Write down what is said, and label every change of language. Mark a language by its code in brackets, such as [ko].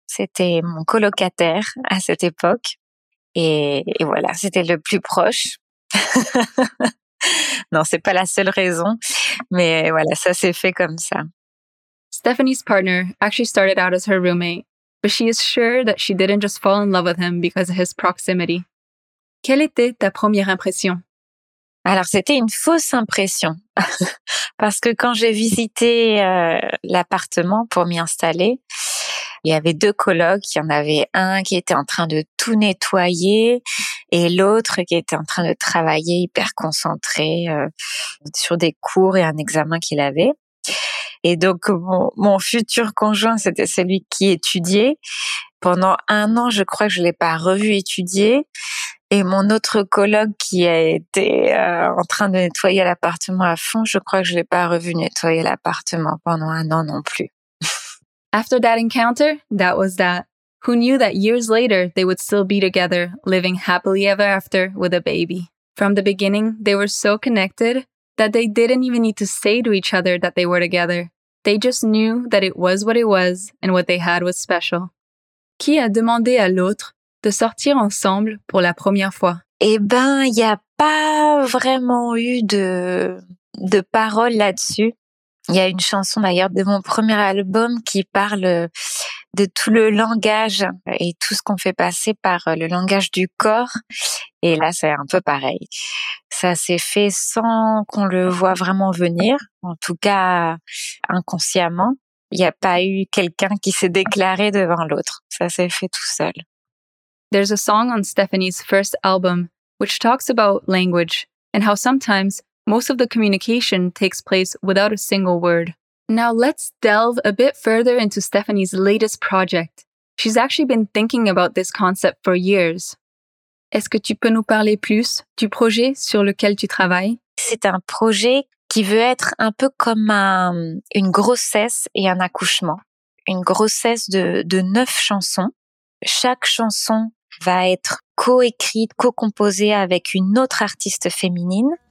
[fr] C'était mon colocataire à cette époque. Et voilà, c'était le plus proche. Non, c'est pas la seule raison, mais voilà, ça s'est fait comme ça. [en] Stephanie's partner actually started out as her roommate, but she is sure that she didn't just fall in love with him because of his proximity. [fr] Quelle était ta première impression? Alors, c'était une fausse impression, parce que quand j'ai visité l'appartement pour m'y installer, il y avait deux colocs, il y en avait un qui était en train de tout nettoyer et l'autre qui était en train de travailler hyper concentré sur des cours et un examen qu'il avait. Et donc, mon futur conjoint, c'était celui qui étudiait. Pendant un an, je crois que je ne l'ai pas revu étudier. Et mon autre coloc qui a été en train de nettoyer l'appartement à fond, je crois que je ne l'ai pas revu nettoyer l'appartement pendant un an non plus. [en] After that encounter, that was that. Who knew that years later, they would still be together, living happily ever after with a baby. From the beginning, they were so connected that they didn't even need to say to each other that they were together. They just knew that it was what it was and what they had was special. [fr] Qui a demandé à l'autre de sortir ensemble pour la première fois? Eh ben, il n'y a pas vraiment eu de parole là-dessus. Il y a une chanson d'ailleurs de mon premier album qui parle de tout le langage et tout ce qu'on fait passer par le langage du corps. Et là, c'est un peu pareil. Ça s'est fait sans qu'on le voit vraiment venir, en tout cas inconsciemment. Il n'y a pas eu quelqu'un qui s'est déclaré devant l'autre. Ça s'est fait tout seul. [en] There's a song on Stephanie's first album which talks about language and how sometimes most of the communication takes place without a single word. Now let's delve a bit further into Stephanie's latest project. She's actually been thinking about this concept for years. [fr] Est-ce que tu peux nous parler plus du projet sur lequel tu travailles? C'est un projet qui veut être un peu comme une grossesse et un accouchement. Une grossesse de 9 chansons. Chaque chanson va être co-écrite, co-composée avec une autre artiste féminine.